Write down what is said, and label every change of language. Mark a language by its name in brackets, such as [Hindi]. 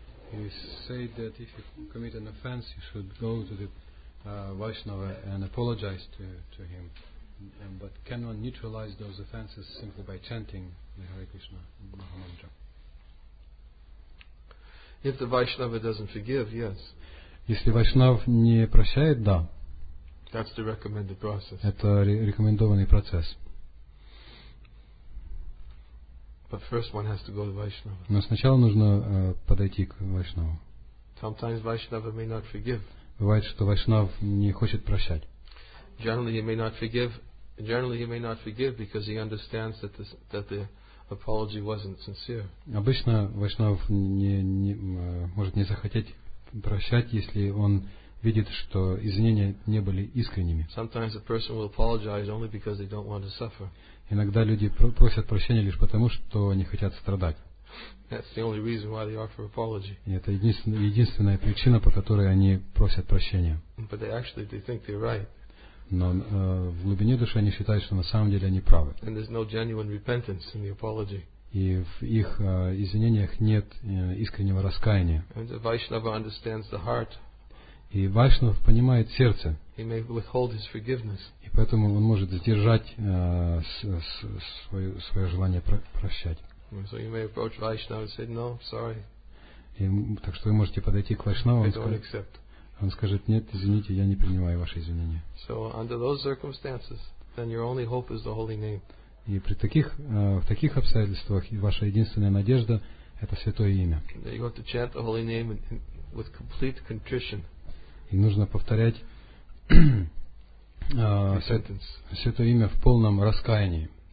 [English] You say that if you commit an offense, you should go to the Vaishnava and apologize to him. But can one neutralize those offenses simply by chanting the Hare Krishna Maha Mantra? If the Vaishnava doesn't forgive, yes. [Russian] Если Вайшнав не прощает, да. [English] That's the recommended process. [Russian] Это рекомендованный процесс. [English] But first one has to go to Vaishnava. [Russian] Но сначала нужно подойти к Вайшнаву. [English] Sometimes Vaishnava may not forgive. [Russian] Бывает, что Вайшнав не хочет прощать. [English] Generally he may not forgive. Generally he may not forgive because he understands that the apology wasn't sincere. [Russian] Обычно Вайшнав не может не захотеть прощать, если он видит, что извинения не были искренними. [English] Sometimes a person will apologize only because they don't want to suffer. [Russian] Иногда люди просят прощения лишь потому, что не хотят страдать. [English] That's the only reason why they offer apology. [Russian] И это единственная причина, по которой они просят прощения. [English] But they actually, they think they're right. [Russian] Но в глубине души они считают, что на самом деле они правы. [English] And there's no genuine repentance in the apology. [Russian] И в их извинениях нет искреннего раскаяния. [English] And the Vaishnava understands the heart. [Russian] И Вайшнав понимает сердце. [English] He may withhold his forgiveness. [Russian] И поэтому он может сдержать свое желание прощать. [English] So you may approach Vaishnava and say, no, sorry. [Russian] И, так что вы можете подойти к Вайшнаву, он скажет, нет, извините, я не принимаю ваши извинения. [English] So under those circumstances, then your only hope is the holy name. [Russian] И при таких, в таких обстоятельствах ваша единственная надежда – это святое имя. [English] Then you have to chant the holy name with complete contrition. [Russian] И нужно повторять святое имя в полном раскаянии.